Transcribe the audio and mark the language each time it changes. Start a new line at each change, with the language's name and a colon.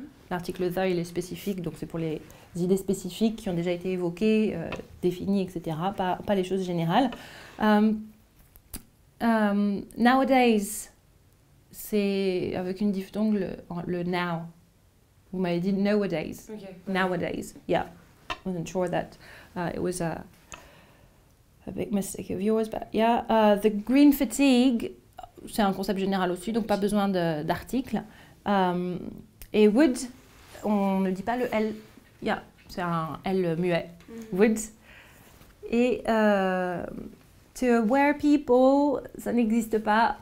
French: L'article the, il est spécifique, donc c'est pour les idées spécifiques qui ont déjà été évoquées, définies, etc. Pas les choses générales.
English: Nowadays,
French: c'est avec une diphtongue le now. Vous m'avez dit
English: nowadays.
French: Okay.
English: Nowadays, yeah. I wasn't sure that it was a a big mistake of yours, but yeah. The green fatigue,
French: c'est un concept général aussi, donc pas besoin de, d'article. Et would, on ne dit pas le L. Yeah, c'est un L muet. Mm-hmm.
English: Would.
French: Et
English: to aware people,
French: ça n'existe pas.